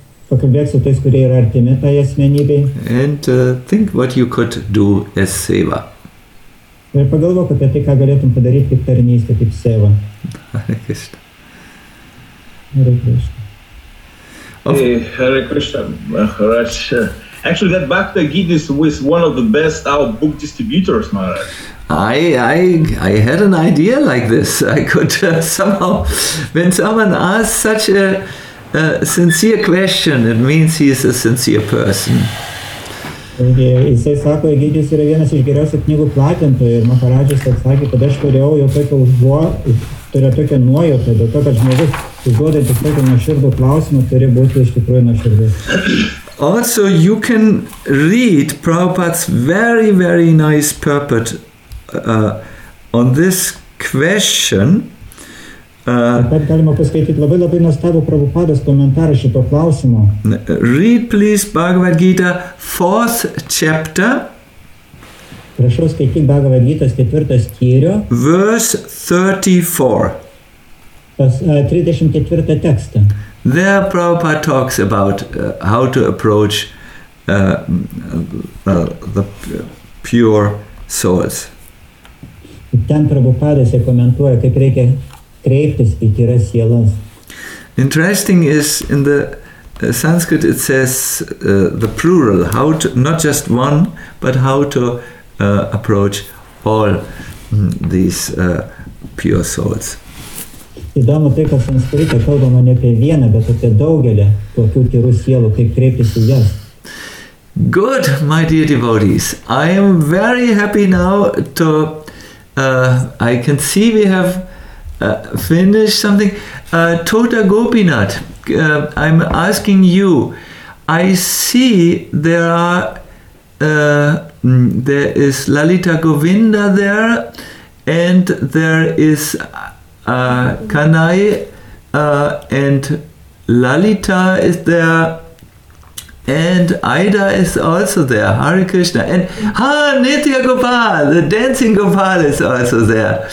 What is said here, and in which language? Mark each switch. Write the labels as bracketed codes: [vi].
[lt] Pakalbėk su tais, kurie yra artimi tai asmenybei. [en] And think what you could do as seva. [lt] Ir pagalvok apie tai, ką galėtum padaryti kaip tarnystė, kaip seva. [en] Hare Krishna. Hare Krishna. Hey, Hare Krishna, Maharaj. Actually, that Bhakta Gita was one of the best our book distributors, Maharaj. I had an idea like this. I could somehow, when someone asks such a sincere question, it means he is a sincere person. [lt] Jisai sako, Egidijus yra vienas iš geriausių knygų platintojų ir Maharadžius atsakė, kad aš turėjau jau tokią nuojautą, dėl to, kad žmogus užduoda tik tokią nuoširdų klausimą, turi būti iš tikrųjų nuoširdus. [en] Also, you can read Prabhupada's very, very nice purport on this question. [lt] Taip galima paskaityti labai labai nuostabų Prabhupados komentarą šito klausimo. [en] Read please Bhagavad Gita 4th chapter. [lt] Prašau skaityti Bhagavad Gita's 4th skyrių. [en] Verse 34. [lt] Pas 34 tekstą. [en] There Prabhupada talks about how to approach the pure souls. [lt] Ten Prabhupadas komentuoja, kaip reikia kreiptis į tyras sielas. [en] Interesting is in the Sanskrit it says the plural, how to, not just one, but how to approach all these pure souls. [lt] Įdomu tai, kad Sanskrite kalbama ne apie vieną, bet apie daugelį tokių tyrų sielų, kaip kreiptis į jas. [en] Good, my dear devotees. I am very happy now to I can see we have finish something. Tota Gopinath, I'm asking you, I see there is Lalita Govinda there, and there is Kanai, and Lalita is there, and Aida is also there, Hare Krishna, and Nitya Gopal, the dancing Gopal is also there.